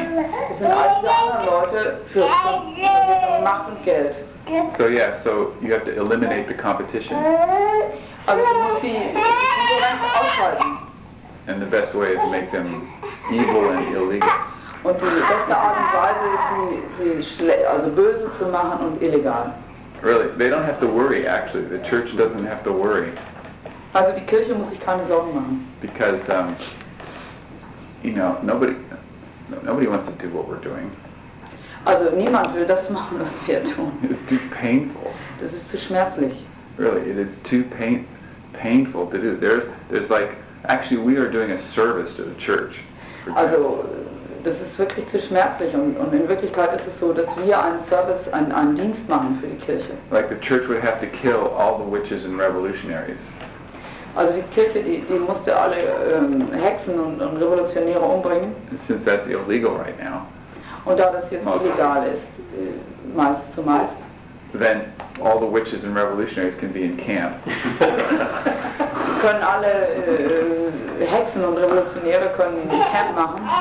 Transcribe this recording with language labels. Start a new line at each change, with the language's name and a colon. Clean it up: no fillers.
German: Es sind all diese anderen Leute für Macht und Geld.
English: So yeah, so you have to eliminate the competition.
German: Also, du musst die Konkurrenz aufhalten.
English: And the best way is to make them evil and illegal.
German: Und die beste Art und Weise ist, sie böse zu machen und illegal.
English: Really, they don't have to worry. Actually, the church doesn't have to worry.
German: Also die Kirche muss sich keine Sorgen machen.
English: Because you know, nobody wants to do what we're doing.
German: Also niemand will das machen, was wir tun.
English: It's too painful.
German: Das ist zu schmerzlich.
English: Really, it is too painful to do. There's like, actually we are doing a service to the church.
German: Also das ist wirklich zu schmerzlich und in Wirklichkeit ist es so, dass wir einen Service, einen Dienst machen für die Kirche.
English: Like the church would have to kill all the witches and revolutionaries.
German: Also die Kirche, die musste alle Hexen und Revolutionäre umbringen.
English: Since that's illegal right now.
German: Und da das jetzt illegal ist, meist zumeist.
English: Then all the witches and revolutionaries can be in camp.
German: Können alle Hexen und Revolutionäre können Camp machen.